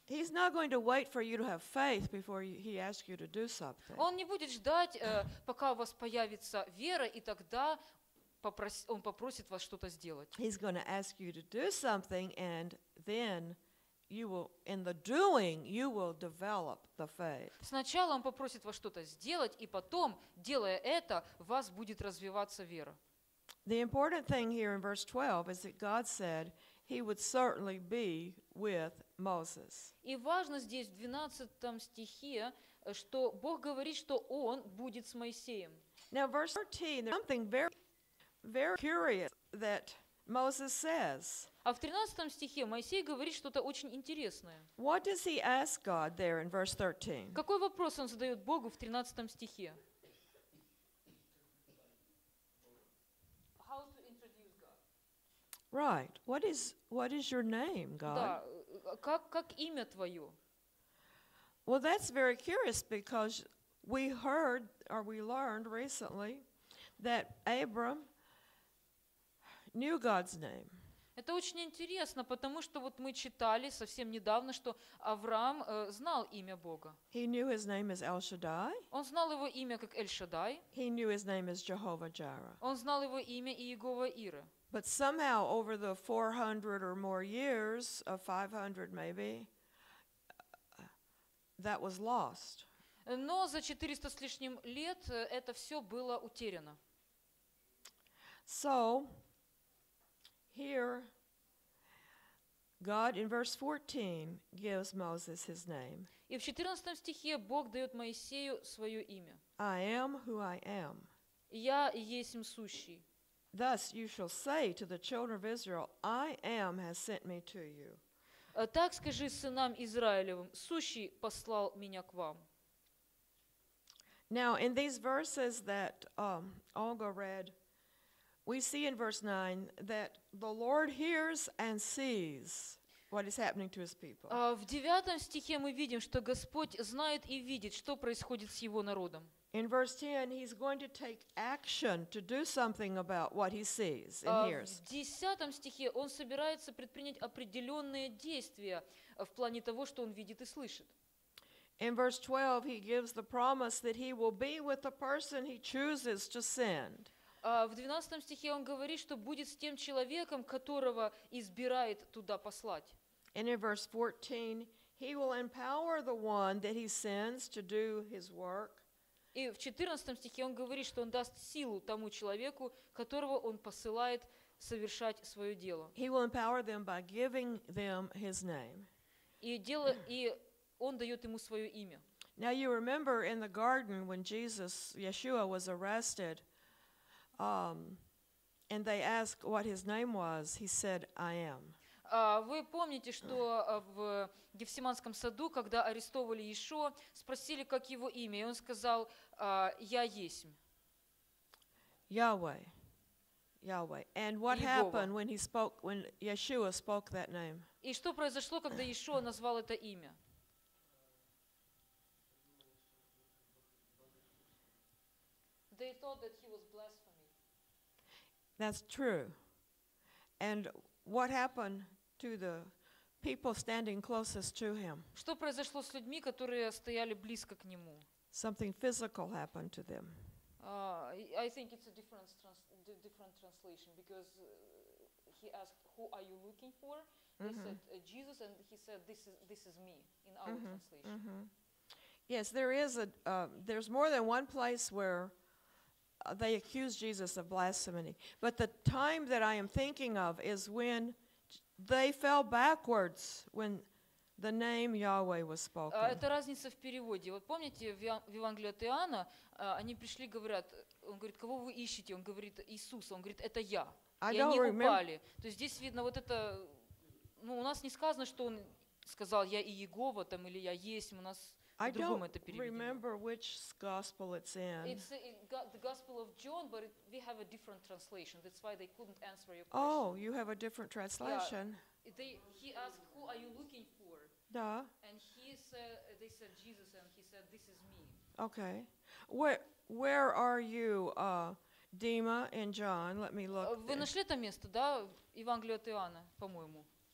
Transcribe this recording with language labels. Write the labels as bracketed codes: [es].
[en] He's not going to wait for you to have faith before he asks you to do something. [ru] Он не будет ждать, пока у вас появится вера, и тогда он попросит вас что-то сделать. [en] He's going to ask you to do something, and then you will, in the doing, you will develop the faith. [ru] Сначала он попросит вас что-то сделать, и потом, делая это, у вас будет развиваться вера. [en] The important thing here in verse 12 is that God said he would certainly be with Moses. [ru] И важно здесь в 12 стихе, что Бог говорит, что он будет с Моисеем. [en] Now, verse 13, there's something very curious that Moses says. [ru] А в 13 стихе Моисей говорит что-то очень интересное. [en] What does he ask God there in verse 13? [ru] Какой вопрос он задает Богу в 13 стихе? [en] How to introduce God? Right. What is your name, God? [ru] Да, как имя твое? [en] Well, that's very curious because we heard or we learned recently that Abram knew God's name. [ru] Это очень интересно, потому что вот мы читали совсем недавно, что Авраам знал имя Бога. [en] He knew his name as El Shaddai. [ru] Он знал его имя как Эль-Шаддай. [en] He knew his name as Jehovah Jireh. [ru] Он знал его имя Иегова Ира. [en] But somehow over the 400 or more years, 500 maybe, that was lost. [ru] Но за 400 с лишним лет это все было утеряно. [en] So, here, God in verse 14 gives Moses his name. [ru] И в 14 стихе Бог дает Моисею свое имя. [en] I am who I am. [ru] Я есмь сущий. [en] Thus you shall say to the children of Israel, I am has sent me to you. [ru] Так скажи сынам Израилевым, сущий послал меня к вам. [en] Now in these verses that Olga read, we see in verse 9 that the Lord hears and sees what is happening to his people. [ru] В 9 стихе мы видим, что Господь знает и видит, что происходит с его народом. [en] In verse 10, he's going to take action to do something about what he sees and hears. [ru] В 10 стихе он собирается предпринять определенные действия в плане того, что он видит и слышит. [en] In verse 12, he gives the promise that he will be with the person he chooses to send. [ru] В 12 стихе он говорит, что будет с тем человеком, которого избирает туда послать. [en] And in verse 14, he will empower the one that he sends to do his work. [ru] И в 14 стихе он говорит, что он даст силу тому человеку, которого он посылает совершать свое дело. [en] He will empower them by giving them his name. [ru] И он дает ему свое имя. [en] Now you remember in the garden when Jesus, Yeshua, was arrested, and they asked what his name was, he said, I am. [ru] Вы помните, что в Гефсиманском саду, когда арестовали Иешуа, спросили, как его имя, и он сказал, я есмь. [en] Yahweh. And what Иегова. Happened when he spoke, when Yeshua spoke that name? [ru] И что произошло, когда Иешуа назвал это имя? [en] They thought that he was blasphemy. That's true. And what happened to the people standing closest to him. [ru] Что произошло с людьми, которые стояли близко к нему? [en] Something physical happened to them. I think it's a different translation because he asked, "Who are you looking for?" Mm-hmm. They said, "Jesus," and he said, "This is me." In our mm-hmm. translation. Mm-hmm. Yes, there is a. There's more than one place where they accuse Jesus of blasphemy. But the time that I am thinking of is when they fell backwards when the name Yahweh was spoken. [ru] Это разница в переводе. Вот помните, в Евангелии от Иоанна, они пришли, говорят, он говорит, кого вы ищете? Он говорит, Иисус. Он говорит, это я. И они упали. То есть здесь видно вот это, ну, у нас не сказано, что он сказал, я и Иегова там, или я есть. У нас по-другому это переведено. [en] I don't remember which gospel it's in. It's the gospel of John, but we have a different translation. That's why they couldn't answer your question. Oh, you have a different translation. Yeah. He asked, who are you looking for? [ru] Да. [en] And they said Jesus, and he said, this is me. Okay. Where are you, Dima and John? Let me look. [ru] Вы нашли это место, да, Евангелие от Иоанна, по-моему?